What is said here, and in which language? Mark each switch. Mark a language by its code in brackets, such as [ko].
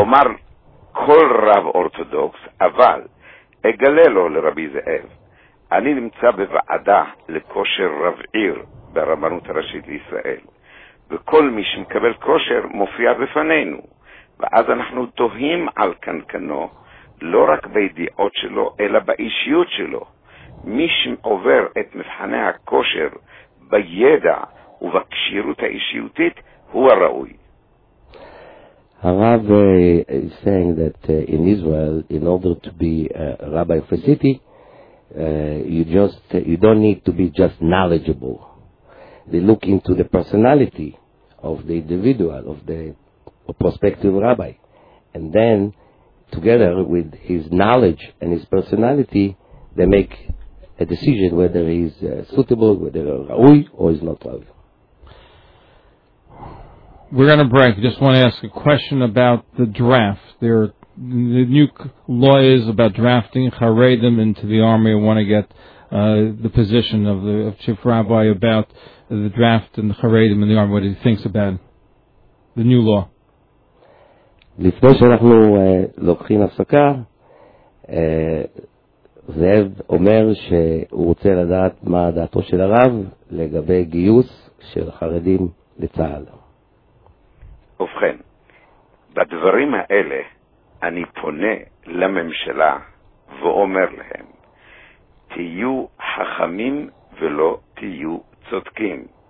[he] אומר, כל רב אורתודוקס, אבל אגלה לו לרבי זאב, אני נמצא בוועדה לכושר רב עיר ברבנות הראשית לישראל, וכל מי שמקבל כושר מופיע בפנינו, ואז אנחנו תוהים על קנקנו לא רק בידיעות שלו אלא באישיות שלו. מי שעובר את מבחני הכושר בידע ובקשירות האישיותית הוא הראוי. [en] הרב is saying that in Israel, in order to be a rabbi of a city, you don't need to be just knowledgeable. They look into the personality of the individual, of the prospective rabbi. And then, together with his knowledge and his personality, they make a decision whether he is suitable, whether he is ra'ui, or is not ra'ui. We're going to break. I just want to ask a question about the draft. There are the new lawyers about drafting Haredim into the army. I want to get the position of the of Chief Rabbi about the draft and the Haredim in the army. What he thinks about the new law. [he] לפני שאנחנו לוקחים הפסקה, זאב אומר שהוא רוצה לדעת מה דעתו של הרב לגבי גיוס של חרדים לצהל. ובכן, בדברים האלה אני פונה לממשלה ואומר להם, תהיו חכמים ולא תהיו צודקים.